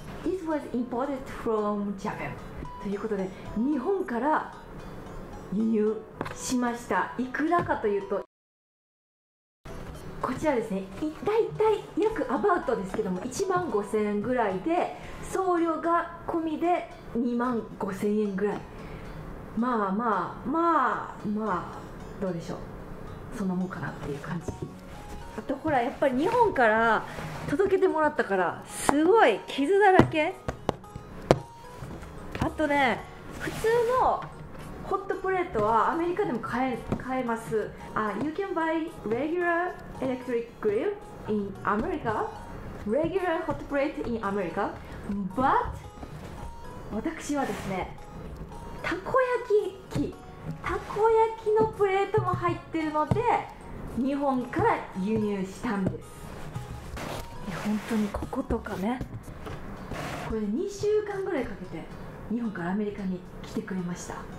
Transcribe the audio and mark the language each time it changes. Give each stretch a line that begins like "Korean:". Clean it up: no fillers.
English: This was imported from Japan.
Japanese: ということで、日本から輸入しました。いくらかというと、こちらですね、大体約アバウトですけども、1万5000円ぐらいで、送料が込みで2万5000円ぐらい。まあまあまあまあ、どうでしょう、そんなもんかなっていう感じ。あとほら、やっぱり日本から届けてもらったから、すごい傷だらけ。あとね、普通のホットプレートはアメリカでも買えます。
English: You can buy regular electric grill in America. Regular hot plate in America. But
Japanese: 私はですね、たこ焼き器、たこ焼きのプレートも入ってるので、日本から輸入したんです。本当にこことかね。これ2週間ぐらいかけて日本からアメリカに来てくれました。